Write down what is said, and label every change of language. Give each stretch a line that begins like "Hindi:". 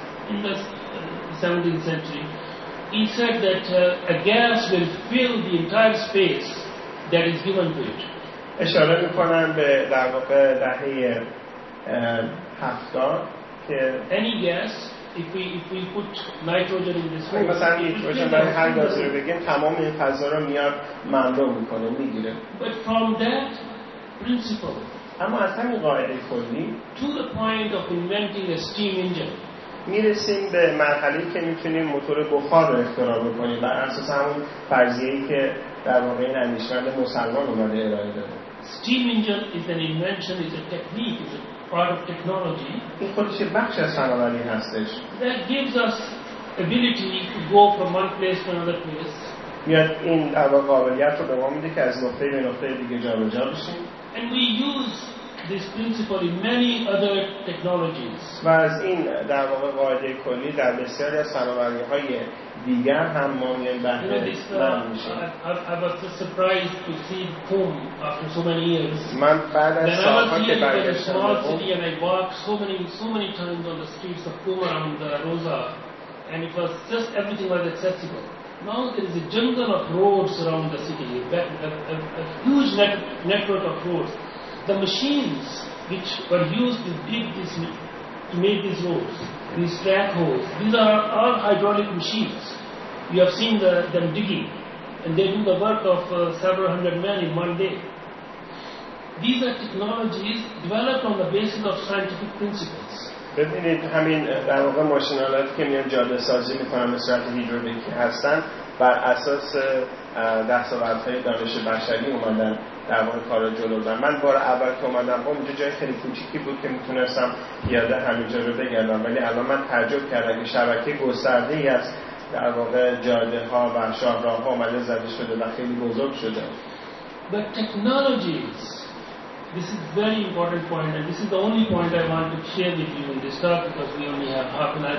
English: In the 17th century, he said that a gas will fill the entire space that is given to it.
Persian: اشاره میکنم به در واقع دهه 70 که
English: any gas, if we put nitrogen in this room,
Persian: مثلا نیتروژن در هر گازی رو بگیم تمام این فضا رو میاد مملو میکنه، میگیره.
English: But from that principle,
Persian: اما از همین قاعده کلی
English: to the point of inventing a steam engine,
Persian: میرسیم به مرحله‌ای که میتونیم موتور بخار رو اختراع بکنیم بر اساس همون فرضیه‌ای که در واقع این اندیشمند مسلمان اومده ارائه داده.
English: Steam engine is an invention, is a technique, is a part of technology.
Persian: این خودش یه بخش از فناوری هستش.
English: That gives us ability to go from one place to another place.
Persian: میاد این در واقع قابلیت رو به ما میده که از نقطه به نقطه دیگه جابجا بشیم.
English: And we use this principle in many other technologies.
Persian: و از این در واقع قاعده کلی در بسیاری از فناوری‌های دیگر هم ما میایم بحث می‌کنیم.
English: I was so surprised to see Qom after so many years.
Persian: من بعد از سال‌ها که برگشتم به
English: Qom, I walked so many times on the streets of Qom around the Roza, and it was just everything was accessible. Now there is a jungle of roads around the city, a huge network of roads. The machines which were used to dig this, to make these roads, these track holes, these are all hydraulic machines. You have seen them digging, and they do the work of several hundred men in one day. These are technologies developed on the basis of scientific principles.
Persian: ببینید همین در واقع ماشین‌آلاتی که میان جاده سازی میکنن به صورت هیدرولیکی هستن بر اساس دستاوردهای دانش بشری اومدن در واقع کارو جلو بردن. من بار اول که اومدم با اونجا جای خیلی کوچیکی بود که میتونستم پیاده همینجا رو بگردم، ولی الان من تعجب کردم که شبکه گسترده ای از در واقع جاده ها و شاهراه ها اومده زده شده و خیلی بزرگ شده.
English: But technologies This is very important point, and this is the only point I want to share with you in this talk, because we only have half an hour.